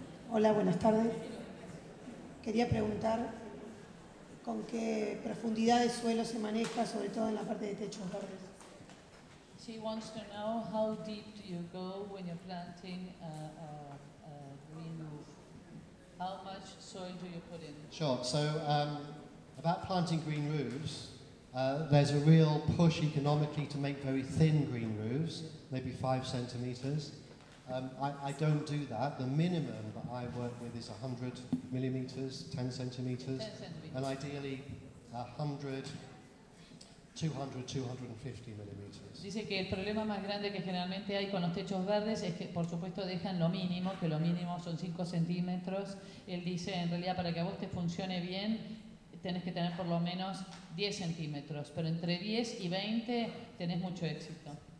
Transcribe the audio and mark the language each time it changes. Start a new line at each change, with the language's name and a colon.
Spanish: Hola, buenas tardes. Quería preguntar con qué profundidad de suelo se maneja, sobre todo en la parte de techos verdes.
English: She wants to know how deep do you go when you're planting a green roof. How much soil do you put in? Sure. So about planting green roofs, there's a real push economically to make very thin green roofs, maybe 5 centimeters. I don't do that. The minimum that I work with is 100 millimeters, 10 centimeters, and ideally 100, 200, 250 millimeters.
Spanish: Dice que el problema más grande que generalmente hay con los techos verdes es que, por supuesto, dejan lo mínimo, que lo mínimo son 5 centímetros. Él dice, en realidad, para que a vos te funcione bien, tenés que tener por lo menos 10 centímetros, pero entre 10 y 20 tenés mucho éxito.